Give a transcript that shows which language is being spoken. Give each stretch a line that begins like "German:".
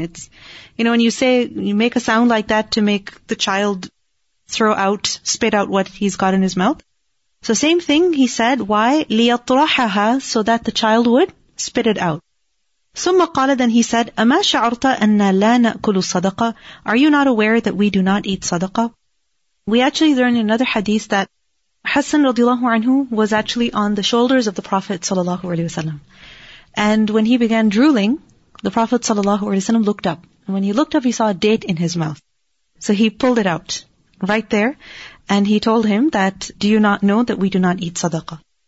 English: It's, you know, when you say, you make a sound like that to make the child throw out, spit out what he's got in his mouth. So same thing, he said, why?
Arabic: ليطرحها,
English: so that the child would spit it out.
Arabic: ثم قال,
English: then he said,
Arabic: أما شعرت أن لا نأكل صدقة,
English: are you not aware that we do not eat صدقة? We actually learn another hadith that Hassan radiallahu anhu was actually on the shoulders of the Prophet sallallahu alaihi wasallam, and when he began drooling, the Prophet sallallahu alaihi wasallam looked up, and when he looked up, he saw a date in his mouth, so he pulled it out right there, and he told him that, do you not know that we do not eat sadaqah?